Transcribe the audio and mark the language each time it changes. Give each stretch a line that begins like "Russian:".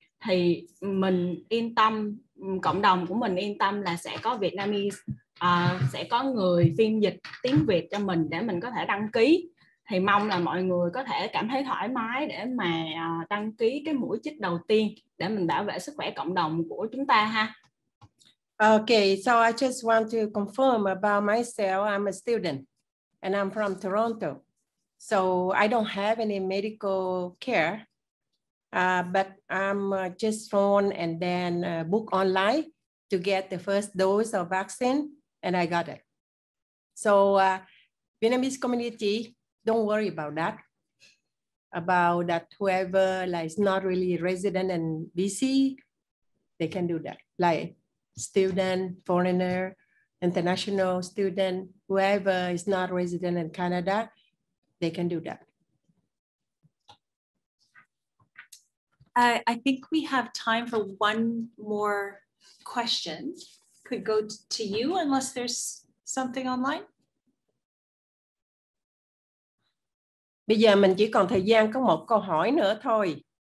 Vietnamese: Thì mình yên tâm, cộng đồng của mình yên tâm là sẽ có Vietnamese, sẽ có người phiên dịch tiếng Việt cho mình để mình có thể đăng ký. Thì mong là mọi người có thể cảm thấy thoải mái để mà đăng ký cái mũi chích đầu tiên để mình bảo vệ sức khỏe cộng đồng của chúng ta ha.
English: Okay, so I just want to confirm about myself. I'm a student and I'm from Toronto. So I don't have any medical care, but I'm just phone and then book online to get the first dose of vaccine, and I got it. So Vietnamese community, don't worry about that. About that, whoever like is not really resident in BC, they can do that. Like student, foreigner, international student, whoever is not resident in Canada, they can do that. I think we have time for one more question. Could go to you unless there's something online.
Vietnamese: Bây giờ mình chỉ còn thời gian có một câu hỏi nữa thôi.